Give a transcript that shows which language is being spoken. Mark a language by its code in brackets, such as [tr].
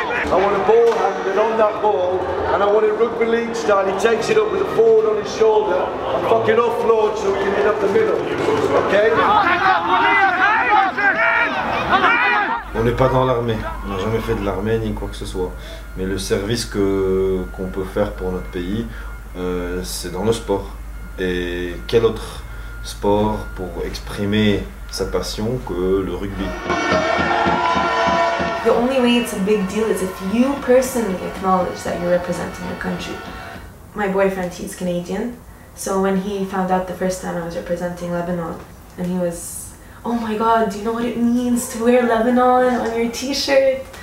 [en] I want a ball handed on that ball, and I want it rugby league style. He takes it up with a forward on his shoulder and fucking offload so we can hit up the middle. Okay? [fr] On n'est pas dans l'armée, on n'a jamais fait de l'armée ni quoi que ce soit. Mais le service qu'on peut faire pour notre pays, c'est dans le sport. Et quel autre sport pour exprimer sa passion que le rugby? [en] The only way it's a big deal is if you personally acknowledge that you're representing your country. My boyfriend, he's Canadian, so when he found out the first time I was representing Lebanon, and he was, oh my god, do you know what it means to wear Lebanon on your t-shirt?